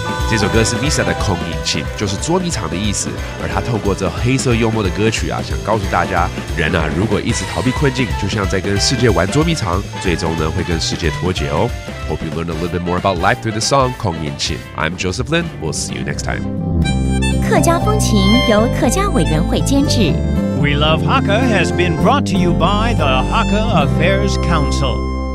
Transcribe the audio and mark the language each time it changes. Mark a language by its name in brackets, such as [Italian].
[Chinese] 这首歌是 Misa 的空音琴，就是捉迷藏的意思，而他透过这黑色幽默的歌曲啊，想告诉大家，人啊，如果一直逃避困境，就像在跟世界玩捉迷藏，最终呢会跟世界脱节哦。 [English] Hope you learned a little bit more about life through the song 空音琴。 I'm Joseph Lin, we'll see you next time. [Chinese] 客家风情由客家委员会监制。 [English] We Love Hakka has been brought to you by the Hakka Affairs Council.